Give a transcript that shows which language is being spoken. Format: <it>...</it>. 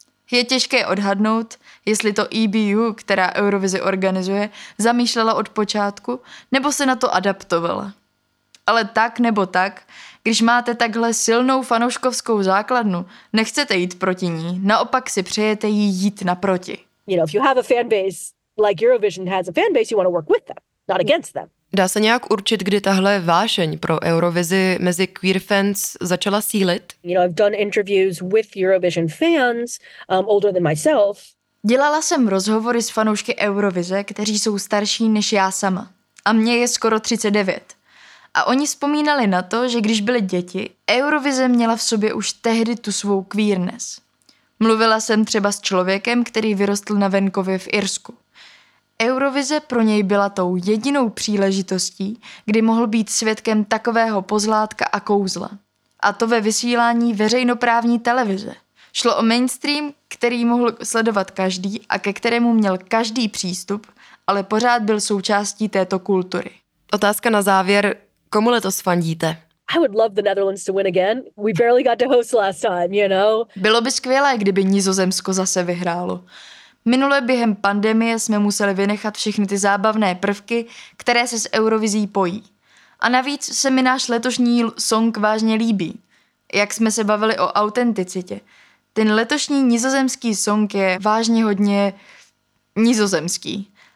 <cs>Je těžké odhadnout, jestli to EBU, která Eurovizi organizuje, zamýšlela od počátku, nebo se na to adaptovala. Ale tak nebo tak, když máte takhle silnou fanouškovskou základnu, nechcete jít proti ní, naopak si přejete jí jít naproti.</cs> <en>You know, if you have a fan base, like Eurovision has a fan base, you want to work with them, not against them.</en> <cs>Dá se nějak určit, kdy tahle vášeň pro Eurovizi mezi queer fans začala sílit?</cs> <en>You know, I've done interviews with Eurovision fans, older than myself.</en> <cs>Dělala jsem rozhovory s fanoušky Eurovize, kteří jsou starší než já sama. A mně je skoro 39. A oni vzpomínali na to, že když byli děti, Eurovize měla v sobě už tehdy tu svou queerness. Mluvila jsem třeba s člověkem, který vyrostl na venkově v Irsku. Eurovize pro něj byla tou jedinou příležitostí, kdy mohl být svědkem takového pozlátka a kouzla. A to ve vysílání veřejnoprávní televize. Šlo o mainstream, který mohl sledovat každý a ke kterému měl každý přístup, ale pořád byl součástí této kultury. Otázka na závěr. Komu letos fandíte?</cs> <en>I would love the Netherlands to win again. We barely got to host last time, you know?</en> <cs>Bylo by skvělé, kdyby Nizozemsko zase vyhrálo. Minule během pandemie jsme museli vynechat všechny ty zábavné prvky, které se s Eurovizí pojí. A navíc se mi náš letošní song vážně líbí. Jak jsme se bavili o autenticitě. Ten letošní nizozemský song je vážně hodně nizozemský.</cs>